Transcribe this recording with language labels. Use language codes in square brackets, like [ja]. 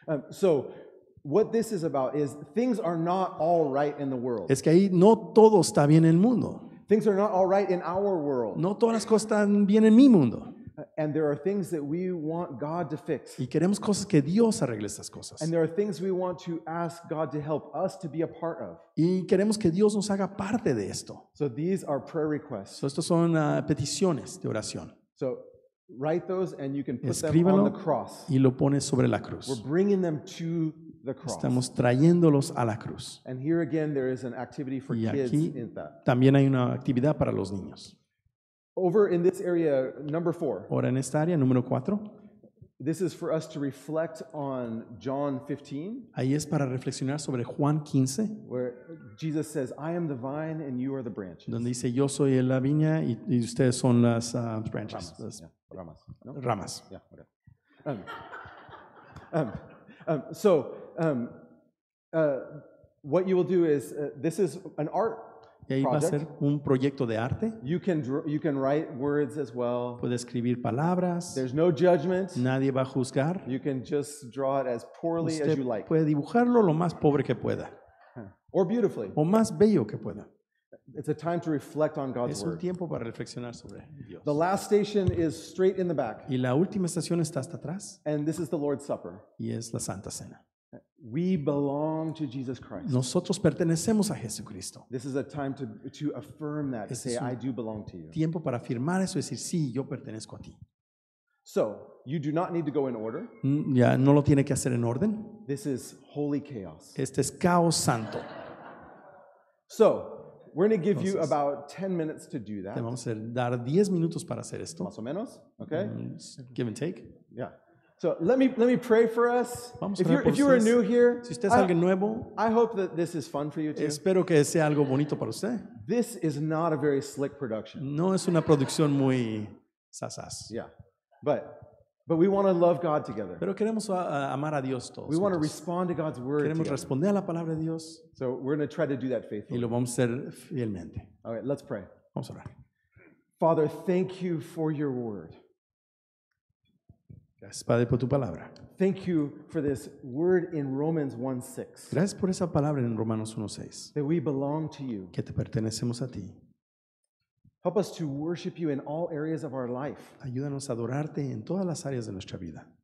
[en] So what this is about is things are not all right in the world. [es] Es que ahí no todo está bien en el mundo. [en] Things are not all right in our world. [es] No todas las cosas están bien en mi mundo. [en] And there are things that we want God to fix. [es] Y queremos cosas que Dios arregle estas cosas. [en] And there are things we want to ask God to help us to be a part of. [es] Y queremos que Dios nos haga parte de esto. [en] So these are prayer requests. [es] So estos son peticiones de oración. [en] So write those and you can put [es] Escríbelo [en] them on the cross. [es] Y lo pones sobre la cruz. [en] We're bringing them to the cross. [es] Estamos trayéndolos a la cruz. [en] And here again there is an activity for [es] y aquí [en] kids in that. [es] También hay una actividad para los niños. [en] Over in this area, number four. [es] Ahora en esta área, número cuatro. [en] This is for us to reflect on John 15. [es] Ahí es para reflexionar sobre Juan 15. [en] Where Jesus says, I am the vine and you are the branches. [es] Donde dice, yo soy la viña y ustedes son las branches. Ramas. Las, yeah. Ramas. No? Ramas. [en] Yeah, okay. what you will do is, this is an art. [es] Y ahí va a ser un proyecto de arte. [en] You can write words as well. [es] Puedes escribir palabras. [en] There's no judgment. [es] Nadie va a juzgar. [en] You can just draw it as poorly [es] Usted [en] as you like. [es] Puede dibujarlo lo más pobre que pueda. [en] Or beautifully. [es] O más bello que pueda. [en] It's a time to reflect on God's [es] Es un [en] word. [es] Tiempo para reflexionar sobre Dios. [en] The last station is straight in the back. [es] Y la última estación está hasta atrás. [en] And this is the Lord's Supper. [es] Y es la Santa Cena. [en] We belong to Jesus Christ. [es] Nosotros pertenecemos a Jesucristo. [en] This is a time to affirm that, [es] este [en] to say I do belong to you. [es] Tiempo para afirmar eso, decir sí, yo pertenezco a ti. [en] So you do not need to go in order. [es] Ya no lo tiene que hacer en orden. [en] This is holy chaos. [es] Este es caos santo. [en] So we're going to give Entonces, you about 10 minutes to do that. [es] Te vamos a dar 10 minutos para hacer esto. Más o menos, okay? [en] Give and take. Yeah. So let me pray for us. [es] Vamos [en] if you are new here, [es] si usted es alguien nuevo, [en] I hope that this is fun for you too. [es] Espero que sea algo bonito para usted. [en] This is not a very slick production. [es] No es una producción muy sasas. [en] Yeah, but we want to love God together. [es] Pero queremos amar a Dios todos. [en] We want to respond to God's word. [es] Queremos [en] together. [es] Responder a la palabra de Dios. [en] So we're going to try to do that faithfully. [es] Y lo vamos a hacer fielmente. [en] All right, let's pray. [es] Vamos a orar. [en] Father, thank you for your word. [es] Gracias, Padre, por tu palabra. [en] Thank you for this word in Romans 1:6. [es] Gracias por esa palabra en Romanos 1:6. [en] That we belong to you. [es] Que te pertenecemos a ti. [en] Help us to worship you in all areas of our life. [es] Ayúdanos a adorarte en todas las áreas de nuestra vida.